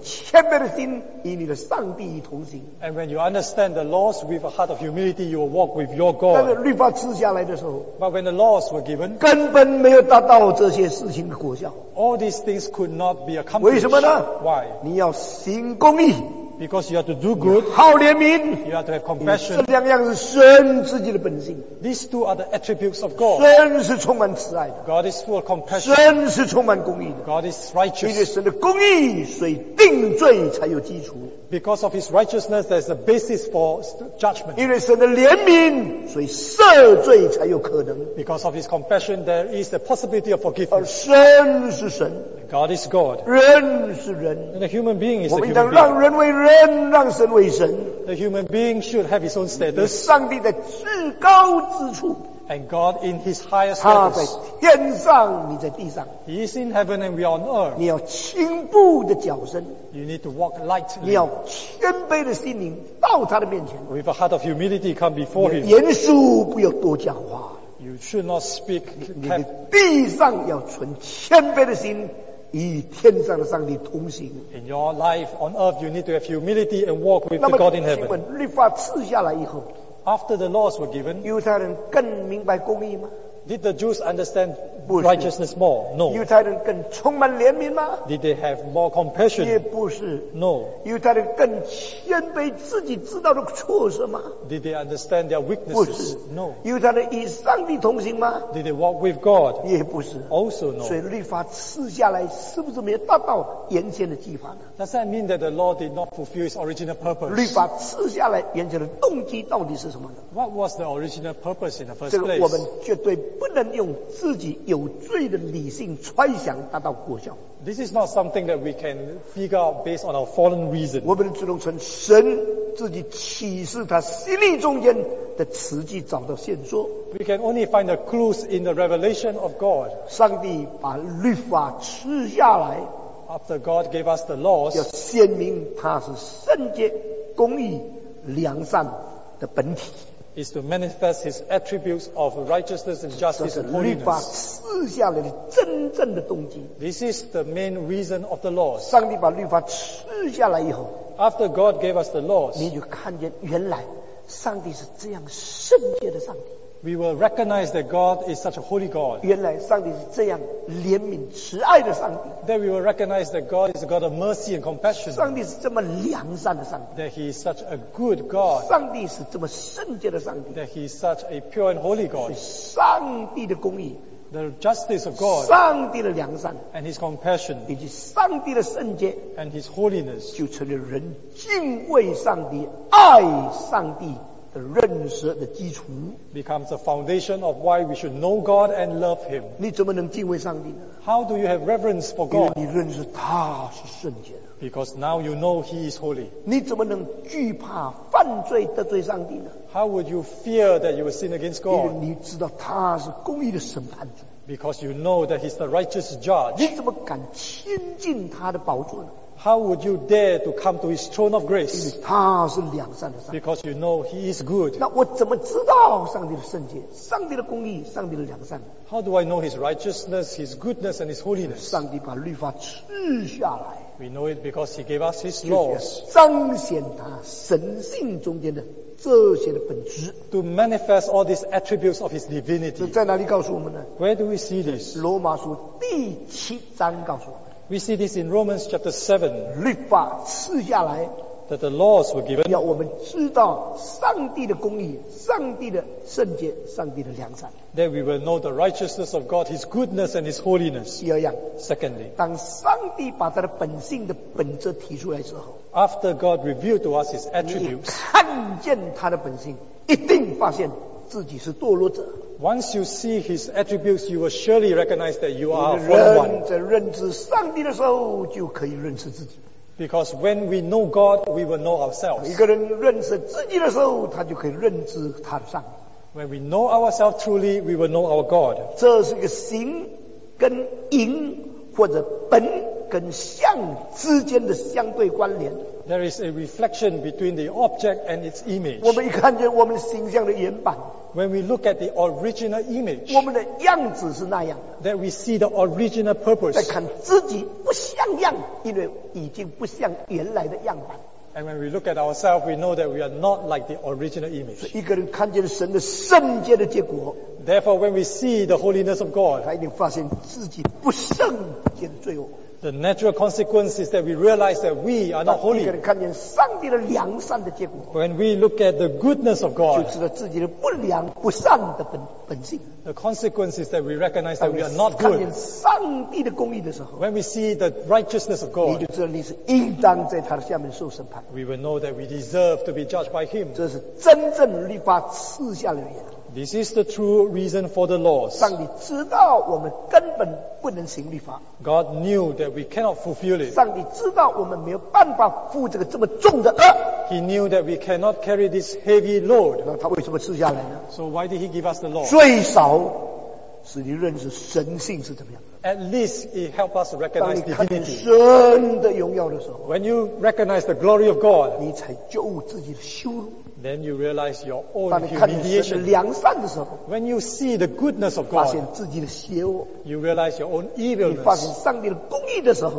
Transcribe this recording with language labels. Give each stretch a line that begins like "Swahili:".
Chinese: 真正明白律法,你就应当存谦卑的心,
English: and when you understand the laws with a heart of humility, you will walk with your God.
Chinese: 但是律法吃下来的时候,
English: but when the laws were given,
Chinese: 根本没有达到这些事情的果效,
English: all these things could not be accomplished.
Chinese: 为什么呢?
English: Why?
Chinese: 你要行公义,
English: because you have to do good.
Chinese: 好怜悯,
English: you have to have compassion.
Chinese: 这两样是神自己的本性。
English: These two are the attributes of God.
Chinese: 神是充满慈爱的,
English: God is full of compassion.
Chinese: 神是充满公义的,
English: God is righteous.
Chinese: 因为神的公义,所以定罪才有基础。
English: Because of his righteousness, there's a basis for judgment.
Chinese: 因为神的怜悯, 所以赦罪才有可能。
English: Because of his compassion, there is the possibility of forgiveness.
Chinese: 而神是神,
English: God is God.
Chinese: 人是人,
English: and a human being is a human being.
Chinese: 我们应当让人为人, 让神为神。
English: The human being should have his own status.
Chinese: 上帝的至高之处,
English: and God in his highest status.
Chinese: 他在天上, 你在地上,
English: he is in heaven and we are on earth.
Chinese: 你要轻步的脚身,
English: you need to walk lightly.
Chinese: 你要谦卑的心灵, 到他的面前,
English: with a heart of humility come before him.
Chinese: 严肃不要多讲话,
English: you should not speak.
Chinese: 地上要存谦卑的心,与天上的上帝同行。
English: In your life on earth, you need to have humility and walk with the God in heaven.
Chinese: 那么，请问律法赐下来以后
English: ，After the laws were given,
Chinese: 犹太人更明白公义吗
English: ？Did the Jews understand righteousness more? No.
Chinese: 犹太人更充满怜悯吗
English: ？Did they have more compassion?
Chinese: 也不是。
English: No.
Chinese: 犹太人更谦卑，自己知道的错是吗
English: ？Did they understand their weaknesses?
Chinese: 不是。
English: No.
Chinese: 犹太人与上帝同行吗
English: ？Did they walk with God?
Chinese: 也不是。
English: Also no.
Chinese: 所以律法赐下来，是不是没有达到原先的计划呢
English: ？Does that mean that the law did not fulfill its original purpose?
Chinese: 律法赐下来，原先的动机到底是什么呢
English: ？What was the original purpose in the first place?
Chinese: 这个我们绝对不能用自己有罪的理性揣想达到果效。
English: This is not something that we can figure out based on our fallen reason.
Chinese: 我们只能从神自己启示他心里中间的慈迹找到线索。
English: We can only find the clues in the revelation of God.
Chinese: 上帝把律法赐下来。
English: After God gave us the laws,
Chinese: 要显明他是圣洁、公义、良善的本体。
English: Is to manifest his attributes of righteousness and justice and holiness.
Chinese: 这是律法赐下来的真正的动机。
English: This is the main reason of the laws.
Chinese: 上帝把律法赐下来以后
English: ，After God gave us the laws,
Chinese: 你就看见原来上帝是这样圣洁的上帝。
English: We will recognize that God is such a holy God.
Chinese: 原来上帝是这样怜悯慈爱的上帝。
English: Then we will recognize that God is a God of mercy and compassion.
Chinese: 上帝是这么良善的上帝。
English: That he is such a good God.
Chinese: 上帝是这么圣洁的上帝。
English: That he is such a pure and holy God.
Chinese: 上帝的公义。
English: The justice of God.
Chinese: 上帝的良善。
English: And his compassion.
Chinese: 以及上帝的圣洁。
English: And his holiness.
Chinese: 就成了人敬畏上帝、爱上帝。的认识的基础
English: becomes a foundation of why we should know God and love Him.
Chinese: 你怎么能敬畏上帝呢
English: ？How do you have reverence for God?
Chinese: 因为你认识他是圣洁的。
English: Because now you know He is holy.
Chinese: 你怎么能惧怕犯罪得罪上帝呢
English: ？How would you fear that you will sin against God?
Chinese: 因为你知道他是公义的审判主。
English: Because you know that He's the righteous judge.
Chinese: 你怎么敢亲近他的宝座呢？
English: How would you dare to come to his throne of grace?
Chinese: 因为他是良善的上帝。
English: Because you know he is good.
Chinese: 那我怎么知道上帝的圣洁、上帝的公义、上帝的良善？
English: How do I know his righteousness, his goodness, and his holiness?
Chinese: 上帝把律法赐下来。
English: We know it because he gave us his laws.
Chinese: 彰显他神性中间的这些的本质。
English: To manifest all these attributes of his divinity.
Chinese: 在哪里告诉我们呢？
English: Where do we see this?
Chinese: 罗马书第七章告诉我们。
English: We see this in Romans chapter 7.
Chinese: 律法赐下来
English: that the laws were given.
Chinese: 要我们知道上帝的公义、上帝的圣洁、上帝的良善。
English: That we will know the righteousness of God, His goodness and His holiness.
Chinese: 第二样
English: Secondly,
Chinese: 当上帝把他的本性的本质提出来之后
English: After God revealed to us His attributes,
Chinese: 你看见他的本性，一定发现自己是堕落者。
English: Once you see his attributes, you will surely recognize that you are fallen one.
Chinese: 在认知上帝的时候，就可以认识自己。
English: Because when we know God, we will know ourselves.
Chinese: 一个人认识自己的时候，他就可以认知他的上帝。
English: When we know ourselves truly, we will know our God.
Chinese: 这是一个形跟影或者本跟相之间的相对关联。
English: There is a reflection between the object and its image.
Chinese: 我们一看见我们形象的原版。
English: When we look at the original image,
Chinese: 我们的样子是那样的。
English: That we see the original purpose.
Chinese: 再看自己不像样，因为已经不像原来的样板。
English: And when we look at ourselves, we know that we are not like the original image.
Chinese: 一个人看见神的圣洁的结果。
English: Therefore, when we see the holiness of God,
Chinese: 他一定发现自己不圣洁的罪恶。
English: The natural consequence is that we realize that we are not holy.
Chinese: 一个人看见上帝的良善的结果。
English: When we look at the goodness of God,
Chinese: 就知道自己的不良不善的本性。
English: The consequence is that we recognize that we are not good.
Chinese: 当你看见上帝的公义的时候。
English: When we see the righteousness of God,
Chinese: 你就知道你是应当在他的下面受审判。
English: We will know that we deserve to be judged by him.
Chinese: 这是真正律法赐下来的原因。
English: This is the true reason for the laws.
Chinese: 上帝知道我们根本不能行律法。
English: God knew that we cannot fulfill it.
Chinese: 上帝知道我们没有办法负这个这么重的轭。
English: He knew that we cannot carry this heavy load.
Chinese: 那他为什么赐下来呢
English: ？So why did he give us the law?
Chinese: 最少使你认识神性是怎么样。
English: At least it helped us recognize divinity.
Chinese: 当你看见神的荣耀的时候
English: ，When you recognize the glory of God,
Chinese: 你才觉悟自己的羞辱。
English: then you realize your own humiliation. When you see the goodness of God, you realize your own evilness.